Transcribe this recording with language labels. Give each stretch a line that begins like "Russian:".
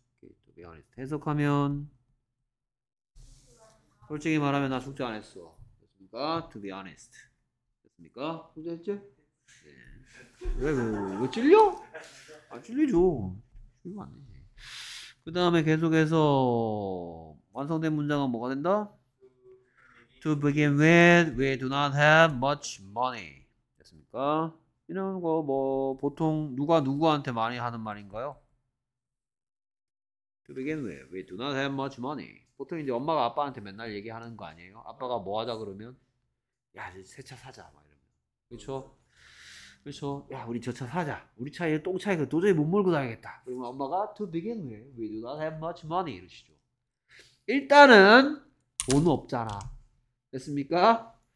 English: To be honest,
Korean: 해석하면 솔직히 말하면 나 숙제 안 했어. 됐습니까? To be honest. 됐습니까? 숙제 했지? 네. 왜 찔려? 안 찔리죠. 찔리면 안 되지. 그 다음에 계속해서 완성된 문장은 뭐가 된다?
English: To begin with, we do not have much money.
Korean: 됐습니까? 이런 거 뭐 보통 누가 누구한테 많이 하는 말인가요?
English: To begin with, we do not have much money.
Korean: 보통 이제 엄마가 아빠한테 맨날 얘기하는 거 아니에요? 아빠가 뭐 하자 그러면 야, 이제 새차 사자 막 이러면. 그렇죠? 그렇죠? 야, 우리 저차 사자. 우리 차에 똥 차이가 도저히 못 몰고 다니겠다. 그러면 엄마가
English: To begin with, we do not have much money
Korean: 이러시죠. 일단은 돈 없잖아. 됐습니까?